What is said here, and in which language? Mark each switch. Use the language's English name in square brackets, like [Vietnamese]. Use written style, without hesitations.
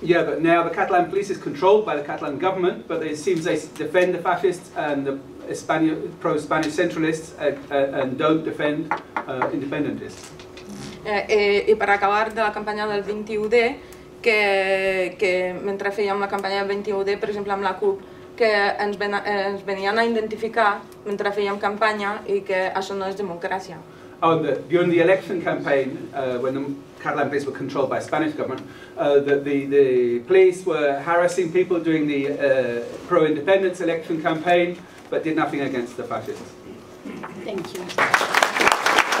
[English] Yeah, but now the Catalan police is controlled by the Catalan government, but it seems they defend the fascists and the pro-Spanish centralists and don't defend independentists. [Catalan] I per acabar de la campanya del 21D, que mentre fèiem la campanya del 21D, per exemple amb la CUP, que ens venien a identificar mentre fèiem campanya i que això no és democràcia. [English] Oh, during the election campaign, when the Catalan police were controlled by the Spanish government, the police were harassing people during the pro-independence election campaign, but did nothing against the fascists. Thank you.